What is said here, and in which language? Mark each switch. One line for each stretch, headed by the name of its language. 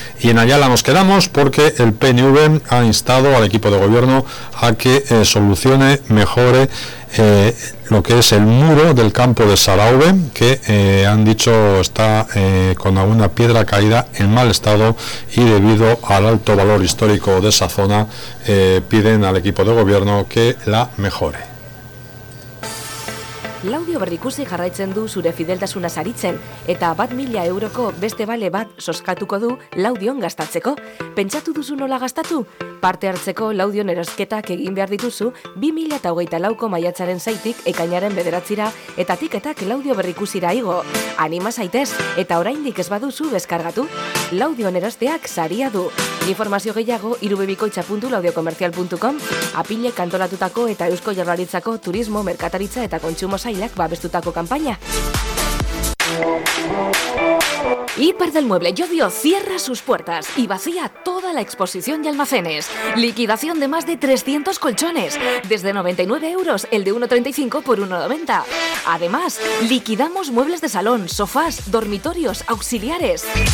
Spanish: Y en Ayala nos quedamos porque el PNV ha instado al equipo de gobierno a que solucione, mejore lo que es el muro del campo de Sarauve, que han dicho está con alguna piedra caída en mal estado y debido al alto valor histórico de esa zona, piden al equipo de gobierno que la mejore.
Basque: Laudio berrikusi jarraitzen du zure fideltasuna saritzen, eta bat mila euroko beste bale bat soskatuko du Laudion gastatzeko. Pentsatu duzu nola gastatu? Parte hartzeko Laudion erosketak egin behar dituzu 2024ko maiatzaren 6tik ekainaren 9ra, eta tiketak Laudio berrikusira igo. Anima zaitez, eta oraindik ez baduzu deskargatu. Laudion erosteak saria du. Informazio gehiago irubebikoitza.laudiokomerzial.com. Apilek antolatutako eta Eusko Jaurlaritzako turismo, merkataritza eta kontsumo sailak babestutako kanpaina.
Spanish: Hiper del Mueble Llodio cierra sus puertas y vacía toda la exposición y almacenes. Liquidación de más de 300 colchones. Desde 99 euros, el de 1,35 por 1,90. Además, liquidamos muebles de salón, sofás, dormitorios, auxiliares.